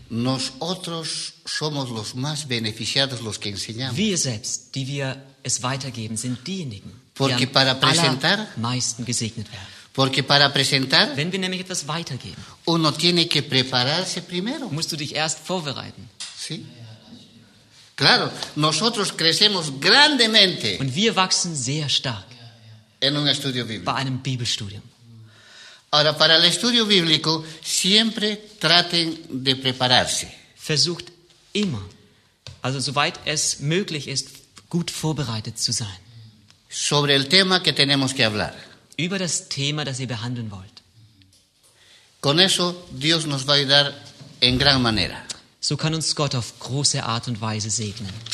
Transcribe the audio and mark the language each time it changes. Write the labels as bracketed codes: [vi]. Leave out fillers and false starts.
[es] Nosotros somos los más beneficiados, los que enseñamos. [de] Wir selbst, die wir es weitergeben, sind diejenigen, [es] porque [de] die [es] para presentar, [de] allermeisten gesegnet werden. [es] Porque para presentar, [de] wenn wir nämlich etwas weitergeben, [es] uno tiene que prepararse primero. [de] Musst du dich erst vorbereiten. [es] Sí. Claro, nosotros crecemos grandemente. [de] Und wir wachsen sehr stark. [es] En un estudio bíblico. [de] Bei einem Bibelstudium. [es] Ahora, para el estudio bíblico, siempre traten de prepararse. [de] Versucht immer, also soweit es möglich ist, gut vorbereitet zu sein. [es] Sobre el tema que tenemos que hablar. [de] Über das Thema, das ihr behandeln wollt. [es] Con eso, Dios nos va a ayudar en gran manera. [de] So kann uns Gott auf große Art und Weise segnen.